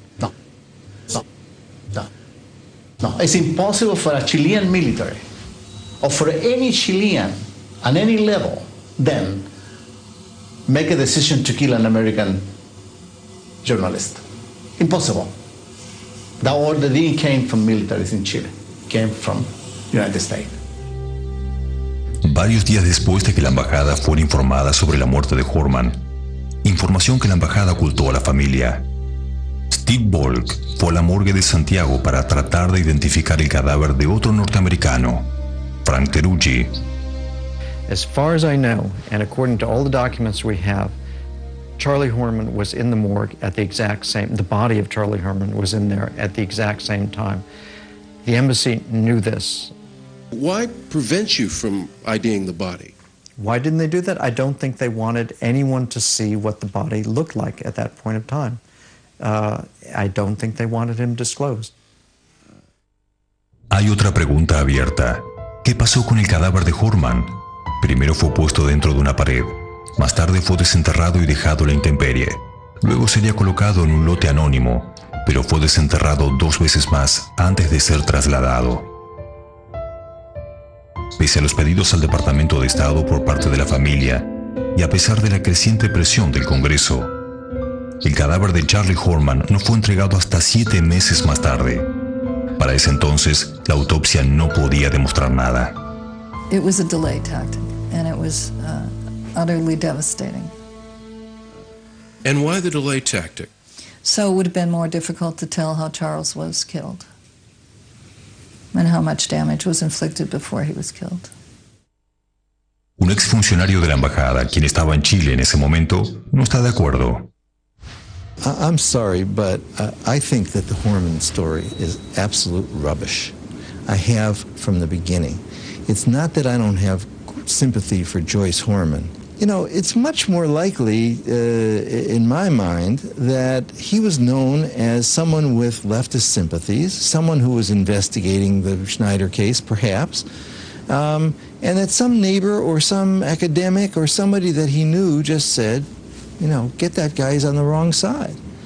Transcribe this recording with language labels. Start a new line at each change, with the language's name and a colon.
English: No. It's impossible for a Chilean military or for any Chilean on any level then make a decision to kill an American journalist. Impossible. That order didn't come from militaries in Chile. It came from the United States.
Spanish: Varios días después de que la embajada fuera informada sobre la muerte de Horman, información que la embajada ocultó a la familia. Steve Volk fue a la morgue de Santiago para tratar de identificar el cadáver de otro norteamericano, Frank Terucci.
English: As far as I know, and according to all the documents we have, Charlie Horman was in the morgue at the exact same, the body of Charlie Horman was in there at the exact same time. The embassy knew this. Why prevent you from IDing the body? Why didn't they do that? I don't think they wanted anyone to see what the body looked like at that point of time. I don't think they wanted him disclosed.
Spanish: Hay otra pregunta abierta. ¿Qué pasó con el cadáver de Horman? Primero fue puesto dentro de una pared. Más tarde fue desenterrado y dejado a la intemperie. Luego sería colocado en un lote anónimo, pero fue desenterrado dos veces más antes de ser trasladado. Pese a los pedidos al Departamento de Estado por parte de la familia y a pesar de la creciente presión del Congreso, el cadáver de Charlie Horman no fue entregado hasta 7 meses más tarde. Para ese entonces, la autopsia no podía demostrar nada.
English: It was a delay tactic, and it was utterly devastating. And why the delay tactic? So it would have been more difficult to tell how Charles was killed and how much damage was inflicted before he was killed.
Spanish: Un exfuncionario de la embajada, quien estaba en Chile en ese momento, no está de acuerdo.
English: I'm sorry, but I think that the Horman story is absolute rubbish. I have from the beginning. It's not that I don't have sympathy for Joyce Horman. You know, it's much more likely, in my mind, that he was known as someone with leftist sympathies, someone who was investigating the Schneider case, perhaps, and that some neighbor or some academic or somebody that he knew just said, you know, get that guy, he's on the wrong side.